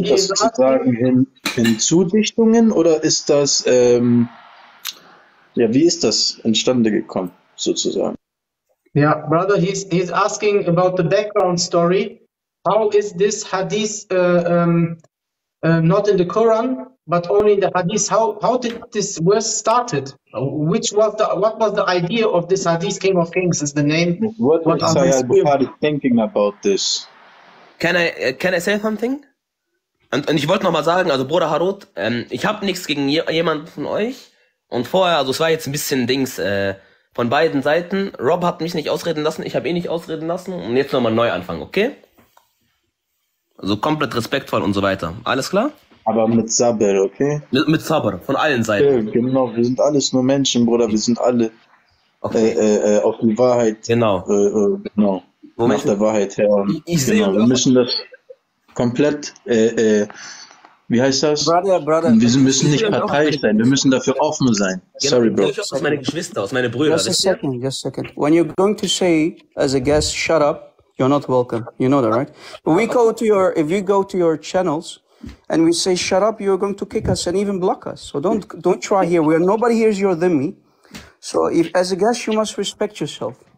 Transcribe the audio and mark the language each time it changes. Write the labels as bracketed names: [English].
[German] das sozusagen Hinzudichtungen oder ist das wie ist das entstanden gekommen sozusagen? [English] Yeah, brother, he's asking about the background story. How is this hadith not in the Quran but only in the hadith? How did this verse started? What was the idea of this hadith? King of Kings is the name. What is Sahih al-Bukhari thinking about this? Can I say something? [German] Und ich wollte nochmal sagen, also Bruder Harut, ich habe nichts gegen jemanden von euch. Und vorher, also es war jetzt ein bisschen Dings von beiden Seiten. Rob hat mich nicht ausreden lassen, ich habe ihn nicht ausreden lassen. Und jetzt nochmal neu anfangen, okay? Also komplett respektvoll und so weiter. Alles klar? Aber mit Sabr, okay? Mit Sabr, von allen Seiten. Okay, genau, wir sind alles nur Menschen, Bruder. Wir sind alle auf die Wahrheit. Genau. Genau. Moment. Nach der Wahrheit her. Ich sehe. Genau, wir müssen das... Komplett, wie heißt das? [English] Brother. [German] Wir müssen nicht parteiisch sein, wir müssen dafür offen sein. Genau. Sorry, Bro. Ich höre aus meine Geschwister, aus meine Brüder. [English] Just a second. When you're going to say, as a guest, shut up, you're not welcome. You know that, right? If you go to your channels and we say shut up, you're going to kick us and even block us. So don't try here. We are, nobody here is your enemy. So if, as a guest, you must respect yourself.